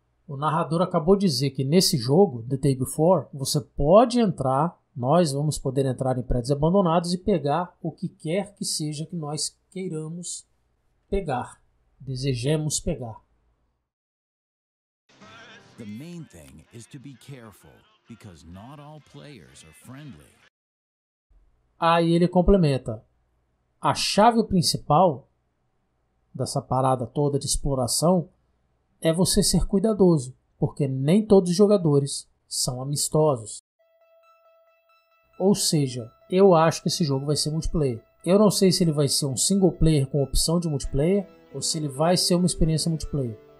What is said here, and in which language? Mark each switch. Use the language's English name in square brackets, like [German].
[Portuguese] O narrador acabou de dizer que nesse jogo, The Day Before, você pode entrar, nós vamos poder entrar em prédios abandonados e pegar o que quer que seja que nós queiramos pegar, desejemos pegar. [English] The main thing is to be careful, because not all players are friendly. [Portuguese] Aí ele complementa. A chave principal dessa parada toda de exploração é você ser cuidadoso, porque nem todos os jogadores são amistosos. Ou seja, eu acho que esse jogo vai ser multiplayer. Eu não sei se ele vai ser um single player com opção de multiplayer ou se ele vai ser uma experiência multiplayer.